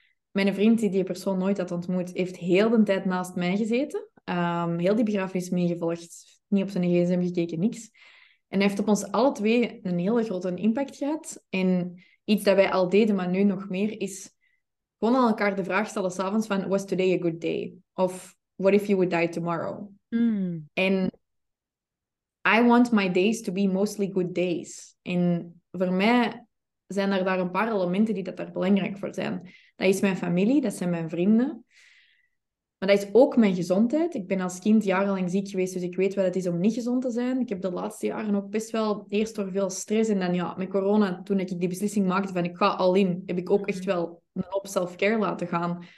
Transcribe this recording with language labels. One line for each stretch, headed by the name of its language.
Dutch: Mijn vriend, die die persoon nooit had ontmoet, heeft heel de tijd naast mij gezeten. Heel die begrafenis meegevolgd. Niet op zijn gsm gekeken, niks. En hij heeft op ons alle twee een hele grote impact gehad. En iets dat wij al deden, maar nu nog meer, is gewoon aan elkaar de vraag stellen 's avonds van:
English: was today a good day? Of what if you would die tomorrow? En I want my days to be mostly good days.
Dutch: En voor mij zijn er daar een paar elementen die dat daar belangrijk voor zijn. Dat is mijn familie, dat zijn mijn vrienden. Maar dat is ook mijn gezondheid. Ik ben als kind jarenlang ziek geweest, dus ik weet wat het is om niet gezond te zijn. Ik heb de laatste jaren ook best wel, eerst door veel stress en dan ja, met corona, toen ik die beslissing maakte van ik ga all in, heb ik ook echt wel een hoop self-care laten gaan.